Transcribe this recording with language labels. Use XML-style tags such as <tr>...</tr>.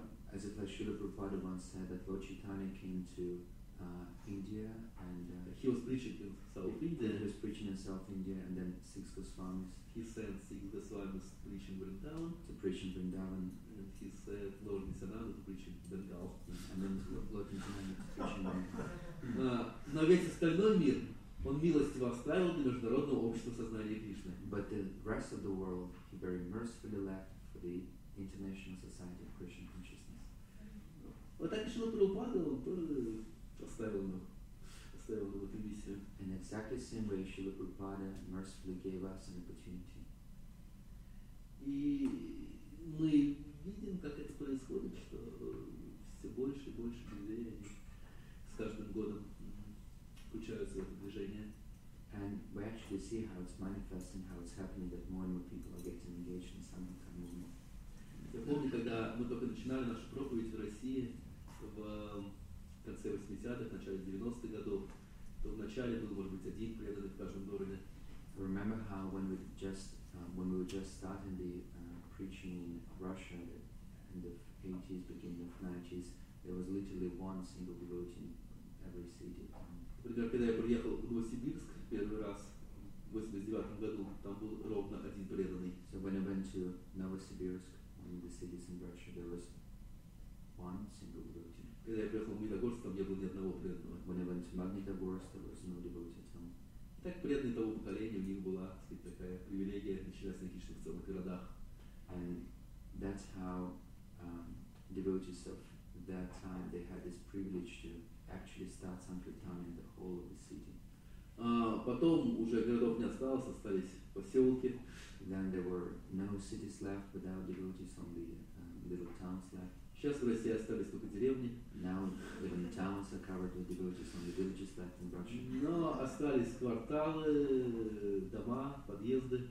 <en>As if Shrila Prabhupada once said that Lord Chaitanya came to India and he was preaching in South India. He was preaching in South India, and then six Goswamis. He sent six Goswamis preaching Vrindavan. To preach in Vrindavan. And he said Lord Nityananda to preach in Bengal. And then Lord Nityananda to preach in Bengal.</en> <ru>Но весь остальной мир, он милостиво оставил для международного общества сознания Кришны.</ru> <en>But the rest of the world, he very mercifully left for the International Society of Krishna Consciousness.</en> <ru>Вот так Шрила Прабхупада, он тоже оставил нам эту миссию.</ru> <en>In exactly the same way, Shrila Prabhupada mercifully gave us an opportunity.</en> <ru>И мы видим, как это происходит, что все больше и больше людей с каждым годом включаются в это движение.</ru> <en>And we actually see how it's manifesting, how it's happening, that more and more people are getting engaged in some kind of movement.</en> <ru>Я помню, когда мы только начинали нашу проповедь в России, в конце 80-х, начале 90-х годов, то вначале был, может быть, один преданный в каждом городе.</ru> <en>I remember how when we were just starting the preaching in Russia at the end of 80s, beginning of 90s, there was literally one single devotee in every city.</en> <ru>Когда я приехал в Новосибирск первый раз, в 89-м году, там был ровно один преданный.</ru> <en>So when I went to Novosibirsk, one of the cities in Russia, there was one single devotee.</en> <ru>Когда я приехал в Магнитогорск, там не было ни одного преданного.</ru> <en>When I went to Magnitogorsk, there was no devotee at all.</en> <ru>Так преданные того поколения, у них была, так сказать, такая привилегия начинать на Кришне в целых городах.</ru> <en>And that's how devotees of that time, they had this privilege to actually start sankirtan in the whole of the city.</en> <ru>Потом уже городов не осталось, остались поселки.</ru> <en>Then there were no cities left without devotees, only little towns left.</en> <ru>Сейчас в России остались только деревни.</ru> <en>Now even towns are covered with villages, only villages left in Russia.</en> <ru>Но остались кварталы, дома, подъезды.</ru>